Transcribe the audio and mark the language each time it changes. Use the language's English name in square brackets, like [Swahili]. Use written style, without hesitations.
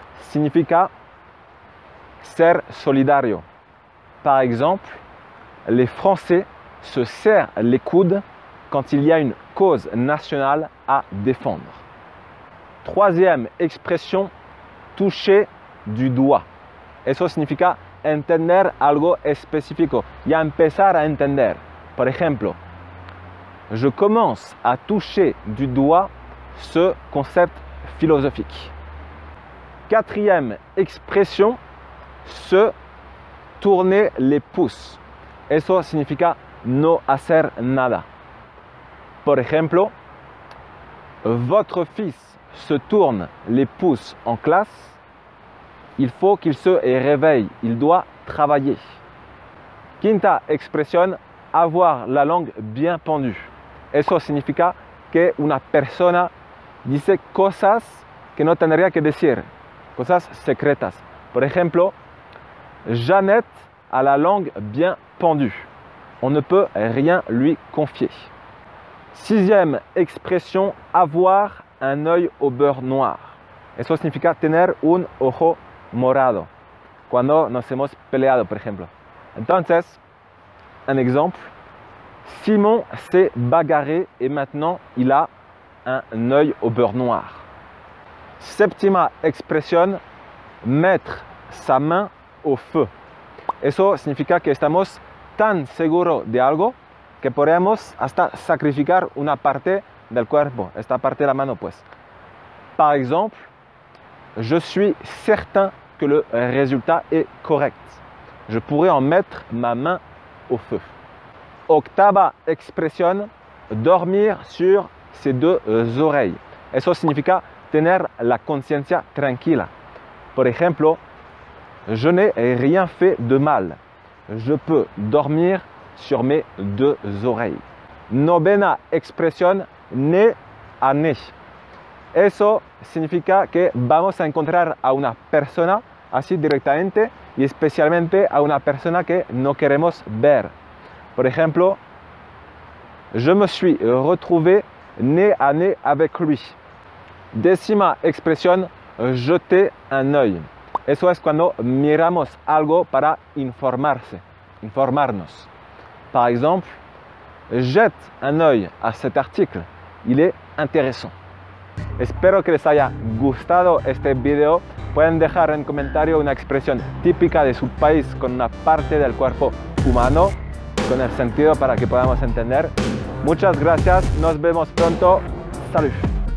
[Spanish] Significa ser solidario. [French] Par exemple, les Français se serrent les coudes quand il y a une cause nationale à défendre. Troisième expression, toucher du doigt. [Spanish] Eso significa entender algo específico. Ya empezar a entender. Por ejemplo, [French] je commence à toucher du doigt ce concept philosophique. Quatrième expression, se tourner les pouces. [Spanish] Eso significa no hacer nada. Por ejemplo, [French] votre fils se tourne les pouces en classe. Il faut qu'il se réveille. Il doit travailler. Quinta expression, avoir la langue bien pendue. [Spanish] Eso significa que una persona dice cosas que no tendría que decir. Cosas secretas. Por ejemplo, [French] Jeannette a la langue bien pendue. On ne peut rien lui confier. Sixième expression, avoir un œil au beurre noir. [Spanish] Eso significa tener un ojo morado. Cuando nos hemos peleado, por ejemplo. Entonces, un exemple. [French] Simon s'est bagarré et maintenant il a un œil au beurre noir. Septima expression, mettre sa main au feu. [Spanish] Eso significa que estamos tan seguros de algo que podemos hasta sacrificar una parte del cuerpo, esta parte de la mano pues. [French] Par exemple, je suis certain que le résultat est correct. Je pourrais en mettre ma main au feu. Octava expression, dormir sur ses deux oreilles. [Spanish] Eso significa tener la conciencia tranquila. Por ejemplo, [French] je n'ai rien fait de mal. Je peux dormir sur mes deux oreilles. Novena expression, nez à nez. [Spanish] Eso significa que vamos a encontrar a una persona así directamente y especialmente a una persona que no queremos ver. Por ejemplo, [French] je me suis retrouvé nez à nez avec lui. Décima expression, jeter un œil. [Spanish] Eso es cuando miramos algo para informarse, informarnos. [French] Par exemple, jette un œil à cet article. Il est intéressant. [Spanish] Espero que les haya gustado este video. Pueden dejar en comentario una expresión típica de su país con una parte del cuerpo humano. Con el sentido para que podamos entender. Muchas gracias, nos vemos pronto. Salud.